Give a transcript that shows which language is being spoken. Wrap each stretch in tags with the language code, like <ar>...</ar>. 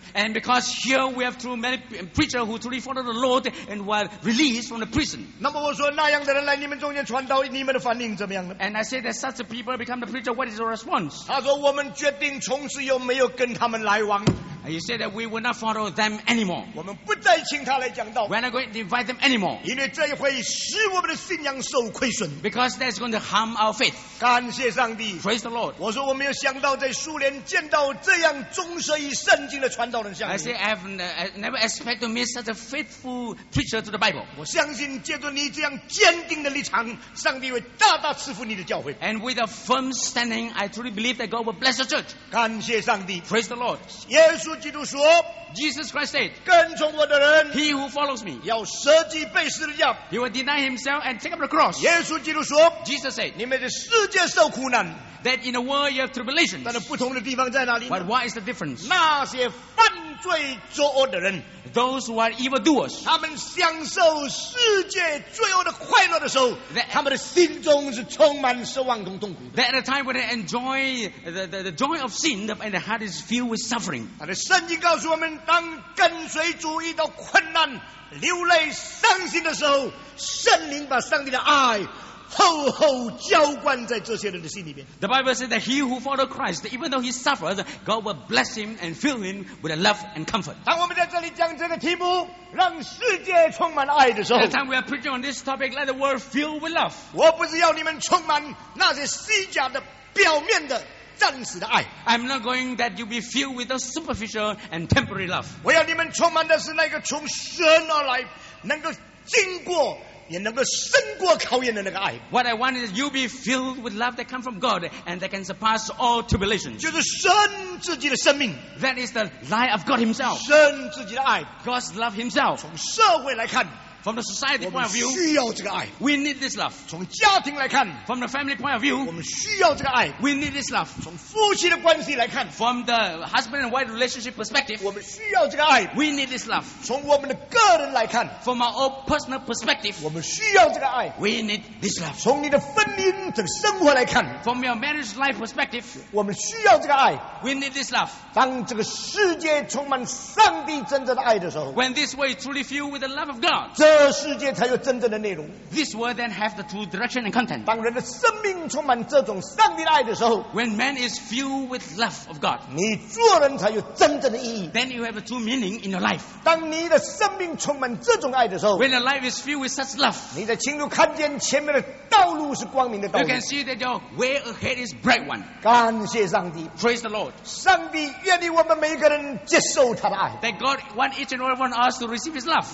<en>And because here we have too many preachers who truly follow the Lord and were released from the prison.</en> <zh>那么我说那样的人来你们中间传道，你们的反应怎么样呢？</zh> <en>And I say that such people become the preacher, what is your response?</en> <zh>他说我们决定从此又没有跟他们来往。</zh> <en>He said that we will not follow them anymore.</en> <zh>我们不再请他来讲道。</zh> <en>We're not going to invite them anymore.</en> <zh>因为这会使我们的信仰受亏损。</zh> <en>Because that's going to harm our faith.</en> <zh>感谢上帝。</zh> <en>Praise the Lord.</en> <zh>我说我没有想到在苏联见到这样忠实于圣经的传道人像你。</zh> <en>I say I never expect to meet such a faithful preacher to the Bible.</en> <zh>我相信借着你这样坚定的立场，上帝会大大赐福你的教会。</zh> <en>And with a firm standing, I truly believe that God will bless the church.</en> <zh>感谢上帝。</zh> <en>Praise the Lord.</en> <zh>耶稣基督说。</zh> <en>Jesus Christ said,</en> <zh>跟从我的人,</zh> <en>He who follows me,</en> <zh>要舍己背十字架,</zh> <en>He will deny himself and take up the cross.</en> <zh>耶稣基督说,</zh> <en>Jesus said,</en> <zh>你们在世界受苦难,</zh> <en>that in the world you have tribulations.</en> <zh>但是不同的地方在哪里呢?</zh> <en>But what is the difference?</en> <zh>那些犯罪作恶的人,</zh> <en>those who are evildoers,</en> <zh>他们享受世界罪恶的快乐的时候, that, 他们的心中是充满失望跟痛苦的。</zh> <en>That at a time when they enjoy the joy of sin, and the heart is filled with suffering.</en> <zh>但是圣经告诉我们当跟随主遇到困难流泪伤心的时候圣灵把上帝的爱厚厚浇灌在这些人的心里面</zh> <en>The Bible says that he who followed Christ even though he suffered God will bless him and fill him with a love and comfort</en> <zh>当我们在这里讲这个题目让世界充满爱的时候</zh> <en>At the time we are preaching on this topic let the world fill with love</en> <zh>我不是要你们充满那些虚假的表面的</zh> <en>I'm not going that you be filled with a superficial and temporary love.</en> <zh>我要你们充满的是那个从神而来，能够经过也能够胜过考验的那个爱。</zh> <en>What I want is you be filled with love that comes from God and that can surpass all tribulations.</en> <zh>就是神自己的生命。</zh> <en>That is the life of God Himself.</en> <zh>神自己的爱。</zh> <en>God's love Himself.</en> <zh>从社会来看。</zh> <en>From the society point of view,</en> <zh>我们需要这个爱。</zh> <en>We need this love.</en> <zh>从家庭来看</zh> <en>，From the family point of view,</en> <zh>我们需要这个爱。</zh> <en>We need this love.</en> <zh>从夫妻的关系来看</zh> <en>，From the husband and wife relationship perspective,</en> <zh>我们需要这个爱。</zh> <en>We need this love.</en> <zh>从我们的个人来看</zh> <en>，From our own personal perspective,</en> <zh>我们需要这个爱。</zh> <en>We need this love.</en> <zh>从你的婚姻的生活来看</zh> <en>，From your marriage life perspective,</en> <zh>我们需要这个爱。</zh> <en>We need this love.</en> <zh>当这个世界充满上帝真正的爱的时候</zh> <en>，When this world is truly filled with the love of God.</en> <zh>这世界才有真正的内容。</zh> <en>This world then have the true direction and content.</en> <zh>当人的生命充满这种上帝的爱的时候</zh> <en>，When man is filled with love of God，</en> <zh>你做人才有真正的意义。</zh> <en>Then you have a true meaning in your life.</en> <zh>当你的生命充满这种爱的时候</zh> <en>，When your life is filled with such love，</en> <zh>你在清楚看见前面的道路是光明的道路。</zh> <en>You can see that your way ahead is bright one.</en> <zh>感谢上帝</zh> <en>，Praise the Lord。</en> <zh>上帝愿意我们每一个人接受他的爱。</zh> <en>That God want each and every one of us to receive His love，</en>